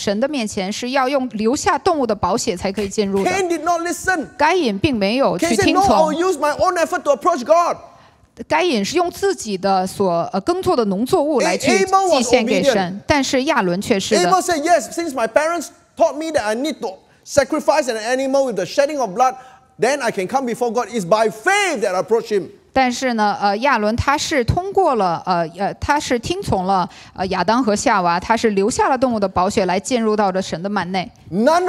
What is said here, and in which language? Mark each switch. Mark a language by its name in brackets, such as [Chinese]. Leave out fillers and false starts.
[Chinese] 亚当和夏娃教导他的孩子们就说，大家，你们要来到神的面前是要用留下动物的宝血才可以进入的。 [English] Cain did not listen. [Chinese] 该隐并没有去听从。 [English] Cain said, "No, I'll use my own effort to approach God." [Chinese] 该隐是用自己的所耕作的农作物来去祭献给神，但是亚伦却是的。 [English] Abel said, "Yes, since my parents taught me that I need to sacrifice an animal with the shedding of blood, then I can come before God. It's by faith that I approach Him." [Chinese] 但是呢，亚伦他是通过了，他是听从了亚当和夏娃，他是留下了动物的宝血来进入到了神的幔内。None